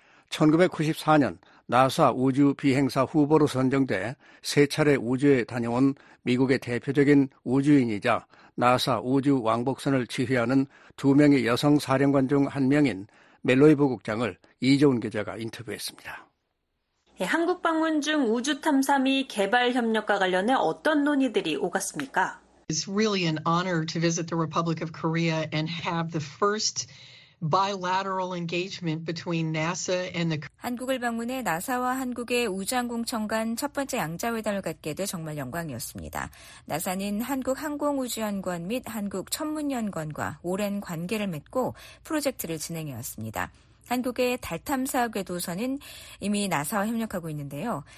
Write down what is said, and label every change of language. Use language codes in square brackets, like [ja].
[ko] 1994년 나사 우주 비행사 후보로 선정돼 세 차례 우주에 다녀온 미국의 대표적인 우주인이자 나사 우주 왕복선을 지휘하는 두 명의 여성 사령관 중 한 명인 멜로이 부국장을 이재훈 기자가 인터뷰했습니다. 예, 한국 방문 중 우주 탐사 및 개발 협력과 관련해 어떤 논의들이 오갔습니까? [en] It's really an honor to visit the Republic of Korea and have the first bilateral engagement between NASA and the [ko] 한국을 방문해 나사와 한국의 우주항공청 간 첫 번째 양자회담을 갖게 돼 정말 영광이었습니다. 나사는 한국 항공우주연구원 및 한국 천문연구원과 오랜 관계를 맺고 프로젝트를 진행해 왔습니다. 한국의 달 탐사 궤도선은 이미 나사와 협력하고 있는데요.